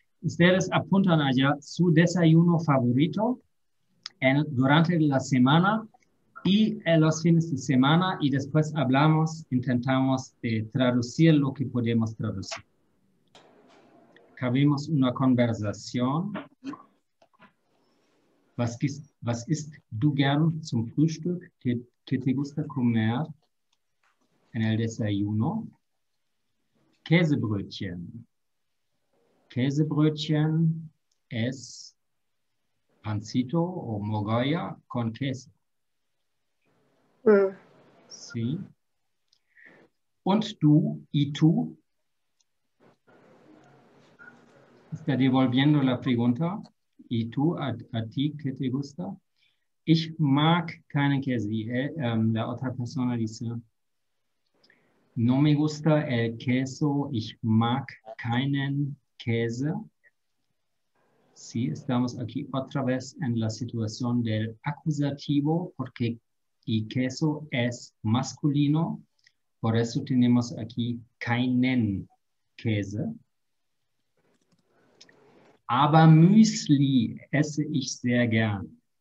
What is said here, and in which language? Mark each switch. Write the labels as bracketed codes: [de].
[es] Ustedes apuntan allá su desayuno favorito en, durante la semana. Y en los fines de semana, y después hablamos, intentamos de traducir lo que podemos traducir. Tuvimos una conversación. [de] Was isst du gern zum Frühstück? [es] ¿Qué te gusta comer en el desayuno? Käsebrötchen. Käsebrötchen es pancito o mogolla con queso. Sí. [de] Und du, [es] y tú, está devolviendo la pregunta, y tú, a ti, ¿qué te gusta? [de] Ich mag keinen Käse. [es] La otra persona dice, no me gusta el queso, [de] ich mag keinen Käse. [es] Sí, estamos aquí otra vez en la situación del acusativo, porque y queso es masculino, por eso tenemos aquí [de] keinen Käse. Aber Müsli esse ich sehr gern.